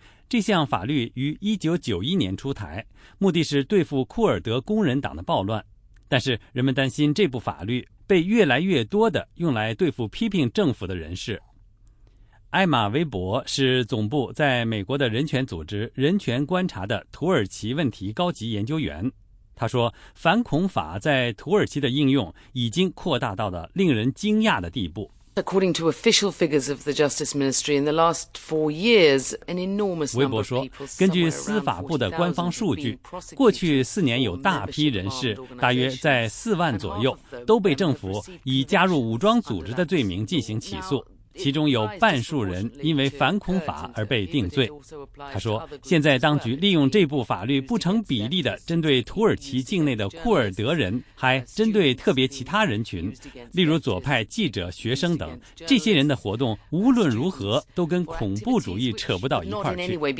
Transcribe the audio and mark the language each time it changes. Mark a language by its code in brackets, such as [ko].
[zh] 这项法律于1991年出台，目的是对付库尔德工人党的暴乱，但是人们担心这部法律被越来越多的用来对付批评政府的人士。艾玛·韦伯是总部在美国的人权组织人权观察的土耳其问题高级研究员，他说反恐法在土耳其的应用已经扩大到了令人惊讶的地步。 [en] According to official figures of the Justice Ministry, in the last 4 years, an enormous number of people. [zh] 说，根据司法部的官方数据，过去四年有大批人士，大约在40,000左右，都被政府以加入武装组织的罪名进行起诉。其中有半数人因为反恐法而被定罪。他说，现在当局利用这部法律不成比例地针对土耳其境内的库尔德人，还针对特别其他人群，例如左派记者、学生等，这些人的活动无论如何都跟恐怖主义扯不到一块去。